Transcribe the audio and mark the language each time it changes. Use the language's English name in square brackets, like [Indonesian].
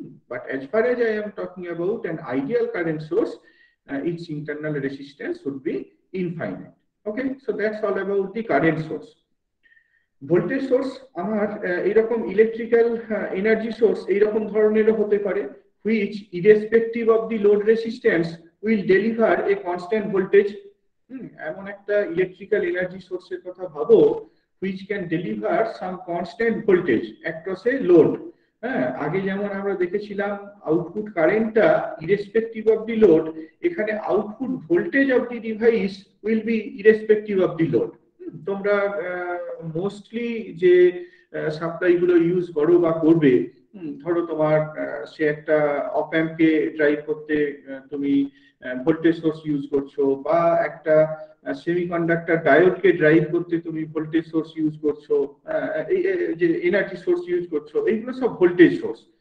[English] But as far as I am talking about an ideal current source, its internal resistance would be infinite. Okay, so that's all about the current source. [Bangla] Voltage source আমার এইরকম electrical energy source এইরকম ধরনেরও হতে পারে, [English] which irrespective of the load resistance will deliver a constant voltage. [Bangla] এমন একটা electrical energy সোর্সের কথা ভাবো [English] which can deliver some constant voltage across a load. [Bangla] হ্যাঁ, আগে যেমন আমরা দেখেছিলাম আউটপুট কারেন্টটা [English] irrespective of the load, [Bangla] এখানে output voltage [English] Of the device will be irrespective of the load. [Bangla] তোমরা মোস্টলি যে সাপ্লাই গুলো ইউজ করো বা করবে, ধরো তোমার সে একটা অপ অ্যাম্প কে ড্রাইভ করতে তুমি ভোল্টেজ সোর্স ইউজ করছো, বা একটা সেমিকন্ডাক্টর ডায়োড কে ড্রাইভ করতে তুমি ভোল্টেজ সোর্স ইউজ করছো, যে এনার্জি সোর্স ইউজ করছো, এইগুলো সব ভোল্টেজ সোর্স।